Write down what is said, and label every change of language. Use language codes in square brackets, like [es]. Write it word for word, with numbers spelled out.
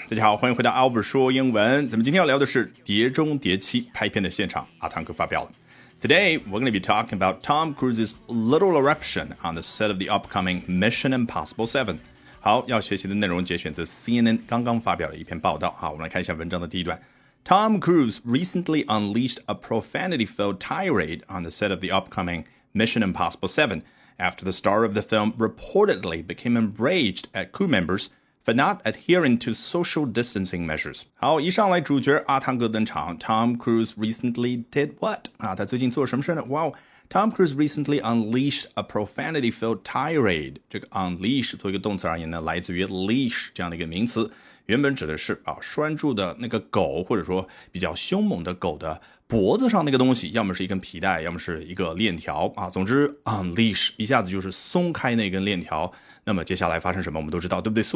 [zh] 大家好，欢迎回到 Albert 说英文。咱们今天要聊的是《碟中谍七》拍片的现场，阿汤哥发飙了。 [en] Today, we're going to be talking about Tom Cruise's little eruption on the set of the upcoming Mission Impossible seven. [zh] 好，要学习的内容节选自 C N N 刚刚发表的一篇报道。好，我们来看一下文章的第一段。 [en] Tom Cruise recently unleashed a profanity-filled tirade on the set of the upcoming Mission Impossible seven. After the star of the film reportedly became enraged at crew members for not adhering to social distancing measures. [zh] 好，一上来主角阿汤哥登场 [en] Tom Cruise recently did what? [zh] 啊，他最近做什么事呢 [en] Wow, Tom Cruise recently unleashed a profanity-filled tirade. [zh] 这个 unleash 作为一个动词而言呢，来自于 leash 这样的一个名词，原本指的是啊拴住的那个狗，或者说比较凶猛的狗的脖子上那个东西，要么是一根皮带，要么是一个链条啊。总之 unleash 一下子就是松开那根链条，那么接下来发生什么我们都知道，对不对？